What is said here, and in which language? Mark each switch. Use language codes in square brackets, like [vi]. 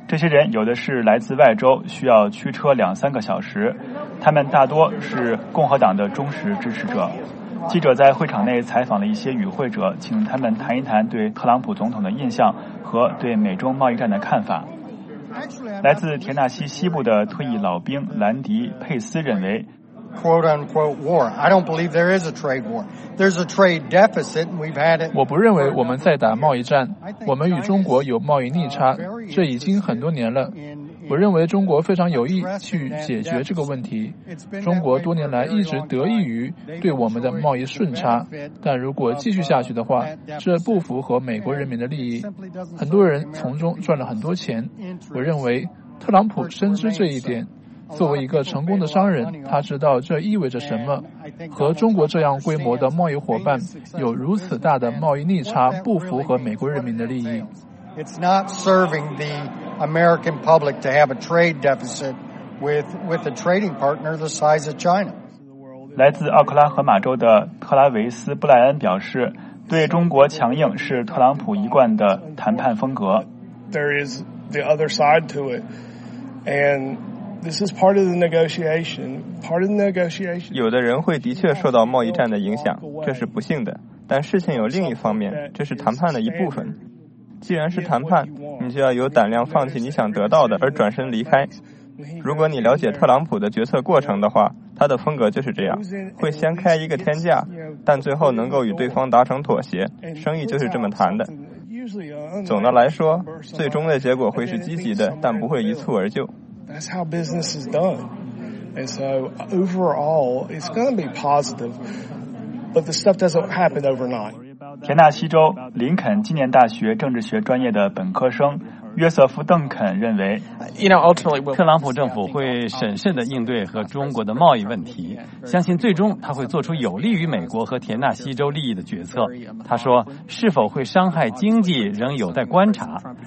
[zh] 这些人有的是来自外州，需要驱车2-3个小时，他们大多是共和党的忠实支持者。记者在会场内采访了一些与会者，请他们谈一谈对特朗普总统的印象和对美中贸易战的看法。来自田纳西西部的退役老兵兰迪·佩斯认为 [en] quote unquote war, I don't believe there is a trade war. There's a trade deficit, and we've had it. [zh] 我不认为我们在打贸易战，我们与中国有贸易逆差，这已经很多年了。我认为中国非常有意去解决这个问题。中国多年来一直得益于对我们的贸易顺差，但如果继续下去的话，这不符合美国人民的利益。很多人从中赚了很多钱。我认为特朗普深知这一点。作为一个成功的商人，他知道这意味着什么。和中国这样规模的贸易伙伴有如此大的贸易逆差，不符合美国人民的利益。 [en] It's not serving the American public to have a trade deficit with a trading partner the size of China. [zh] 来自奥克拉荷马州的特拉维斯·布莱恩表示，对中国强硬是特朗普一贯的谈判风格。 [en] There is the other side to it, and this is part of the negotiation. Part of the negotiation. [zh] 有的人会的确受到贸易战的影响，这是不幸的。但事情有另一方面，这是谈判的一部分。既然是谈判，你就要有胆量放弃你想得到的而转身离开。如果你了解特朗普的决策过程的话，他的风格就是这样，会先开一个天价，但最后能够与对方达成妥协，生意就是这么谈的。总的来说，最终的结果会是积极的，但不会一蹴而就。 [en] That's how business is done. And so overall, it's going to be positive, but the stuff doesn't happen overnight. [zh] 田纳西州林肯纪念大学政治学专业的本科生约瑟夫·邓肯认为，特朗普政府会审慎地应对和中国的贸易问题，相信最终他会做出有利于美国和田纳西州利益的决策。他说，是否会伤害经济仍有待观察。